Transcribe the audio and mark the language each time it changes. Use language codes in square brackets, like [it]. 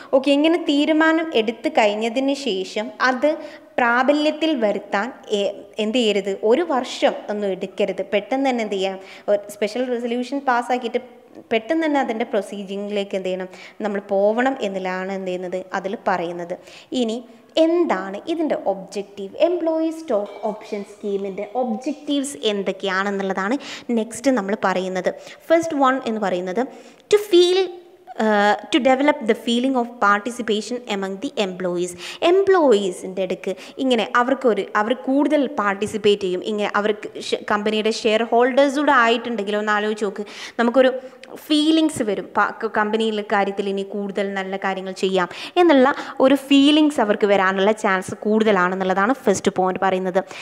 [ml] Okay, ഇങ്ങനെ തീരുമാനം എടുത്തു കഴിഞ്ഞതിന് ശേഷം അത് പ്രാബല്യത്തിൽ വരുത്താൻ എന്ത് ചെയ്യരുത്, ഒരു വർഷം ഒന്നും എടുക്കരുത്, പെട്ടെന്ന് തന്നെ എന്ത് ചെയ്യാം, സ്പെഷ്യൽ റെസൊല്യൂഷൻ പാസ്സാക്കിയിട്ട് പെട്ടെന്ന് തന്നെ അതിൻ്റെ പ്രൊസീജിങ്ങിലേക്ക് എന്ത് ചെയ്യണം നമ്മൾ പോകണം എന്നുള്ളതാണ് എന്ത് ചെയ്യുന്നത് അതിൽ പറയുന്നത്. ഇനി എന്താണ് ഇതിൻ്റെ objective, employee stock option സ്കീമിൻ്റെ objectives എന്തൊക്കെയാണെന്നുള്ളതാണ് next നമ്മൾ പറയുന്നത്. ഫസ്റ്റ് വൺ എന്ന് പറയുന്നത് to feel [en] To develop the feeling of participation among the employees. [ml] Employees ൻ്റെ അടുക്ക് ഇങ്ങനെ അവർക്കൊരു അവർ കൂടുതൽ പാർട്ടിസിപ്പേറ്റ് ചെയ്യും. ഇങ്ങനെ അവർക്ക് കമ്പനിയുടെ ഷെയർ ഹോൾഡേഴ്സ് കൂടെ ആയിട്ടുണ്ടെങ്കിൽ ഒന്ന് ആലോചിച്ച് നോക്ക്, നമുക്കൊരു ഫീലിങ്സ് വരും, കമ്പനിയിലെ കാര്യത്തിൽ ഇനി കൂടുതൽ നല്ല കാര്യങ്ങൾ ചെയ്യാം എന്നുള്ള ഒരു ഫീലിങ്സ് അവർക്ക് വരാനുള്ള ചാൻസ് കൂടുതലാണെന്നുള്ളതാണ് ഫസ്റ്റ് പോയിൻ്റ് പറയുന്നത്.